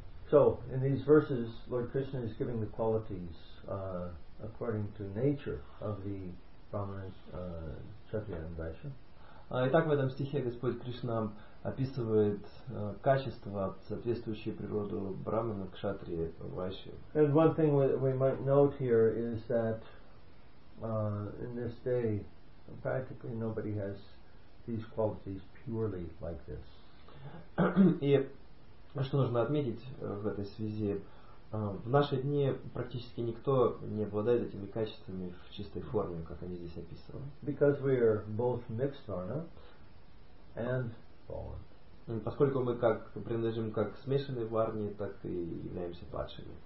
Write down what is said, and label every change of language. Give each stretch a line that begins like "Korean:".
English: So in these verses, Lord Krishna is giving the qualities according to nature of the Brahmanas, Kshatriya and Vaishya.
Russian: Итак, в этом стихе Господь Кришна описывает качества, соответствующие природу брахмана, кшатри, вайши.
English: And one thing we might note here is that in this day, practically nobody has these qualities purely like this.
Russian: И что нужно отметить в этой связи, в наши дни практически никто не обладает этими качествами в чистой форме, как они здесь описаны.
English: Because we are both mixed, Varna, and fallen.
Russian: Поскольку мы как принадлежим как смешанной варне, так и являемся падшими.